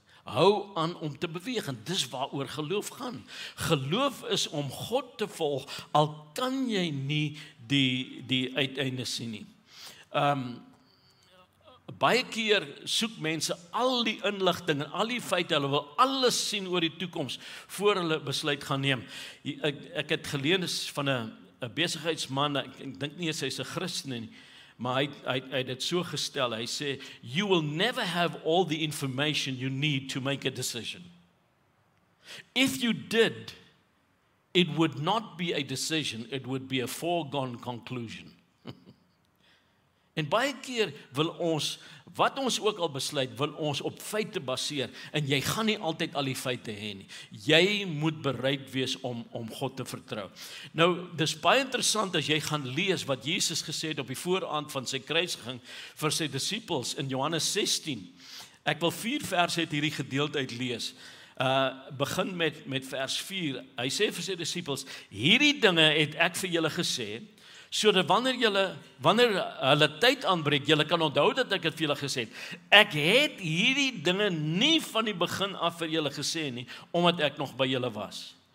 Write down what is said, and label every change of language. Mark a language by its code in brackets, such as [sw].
[af] Hou aan om te beweeg, en dis waar oor geloof gaan. Geloof is om God te volg, al kan jy nie die uiteinde sien nie. Baie keer soek mense al die inligting en al die feite, hulle wil alles sien oor die toekoms, voor hulle besluit gaan neem. Ek het geleen van 'n besigheidsman, ek dink nie eens hy is 'n Christen nie, maar hy het so gestel, hy sê, [en] you will never have all the information you need to make a decision. If you did, it would not be a decision, it would be a foregone conclusion. [af] En baie keer wil ons, wat ons ook al besluit, wil ons op feite baseer, en jy gaan nie altyd al die feite hê nie. Jy moet bereid wees om God te vertrou. Nou, dis baie interessant as jy gaan lees wat Jesus gesê het op die vooraand van sy kruisiging vir sy disciples in Johannes 16. Ek wil 4 verse uit hierdie gedeelte uit lees. Begin met vers 4. Hy sê vir sy disciples, hierdie dinge het ek vir julle gesê, sodat wanneer hulle tyd aanbreek, julle kan onthou dat ek het vir julle gesê, ek het hierdie dinge nie van die begin af vir julle gesê nie, omdat ek nog by julle was.